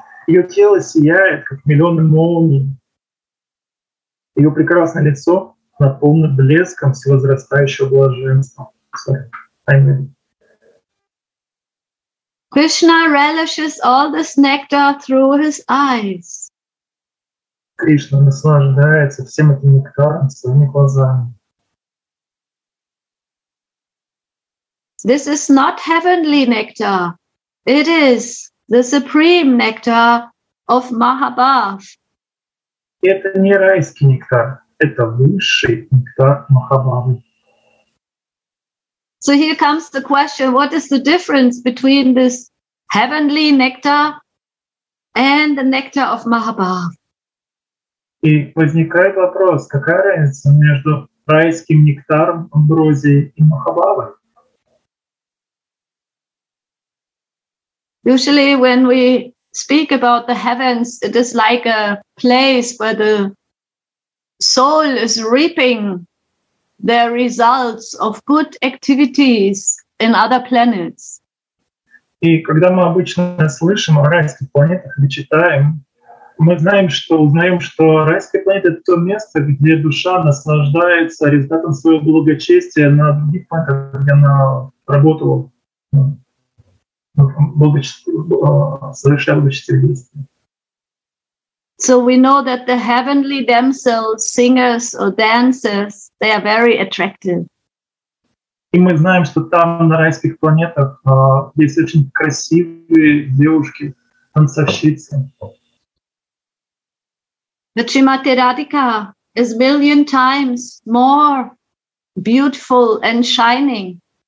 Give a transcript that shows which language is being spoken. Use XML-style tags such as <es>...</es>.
<en>Your</en> <ru>тело сияет как миллионы молний. Ее прекрасное лицо наполнено блеском всевозрастающего блаженства.</ru> <en>Sorry. I mean. Krishna relishes all this nectar through his eyes.</en> <ru>Кришна наслаждается всем этим нектаром своими глазами.</ru> <en>This is not heavenly nectar. It is the supreme nectar of Mahabhav.</en> <ru>Это не райский нектар. Это высший нектар Махабхавы.</ru> <en>So here comes the question, what is the difference between this heavenly nectar and the nectar of Mahabhav?</en> <ru>И возникает вопрос, какая разница между райским нектаром амброзии и Махабхавы?</ru> <en>Usually when we speak about the heavens, it is like a place where the soul is reaping the results of good activities in other planets.</en> <ru>И когда мы обычно слышим о райских планетах или читаем, мы знаем, что узнаем, что райская планета — это то место, где душа наслаждается результатом своего благочестия на других планетах, где она работала, совершала благочестивые действия.</ru> <en>So we know that the heavenly damsels, singers or dancers, they are very attractive.</en> <ru>И мы знаем, что там на райских планетах есть очень красивые девушки, танцовщицы.</ru> <en>The Srimati Radhika is a million times more beautiful and shining.</en>